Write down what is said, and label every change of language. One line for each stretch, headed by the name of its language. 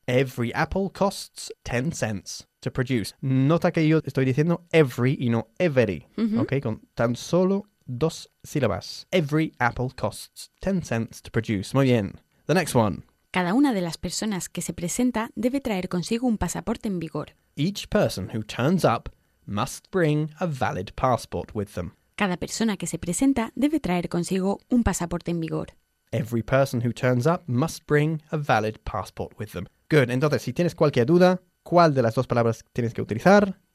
English: Every apple costs 10 cents to produce.
Spanish: Nota que yo estoy diciendo every y no every. Mm-hmm.
English: Okay,
Spanish: con tan solo dos sílabas.
English: Every apple costs 10 cents to produce.
Spanish: Muy bien.
English: The next one.
Spanish: Cada una de las personas que se presenta debe traer consigo un pasaporte en vigor.
English: Each person who turns up must bring a valid passport with them.
Spanish: Cada persona que se presenta debe traer consigo un pasaporte en vigor.
English: Every person who turns up must bring a valid passport with them. Good.
Spanish: Entonces, si tienes cualquier duda, ¿cuál de las dos palabras tienes que utilizar?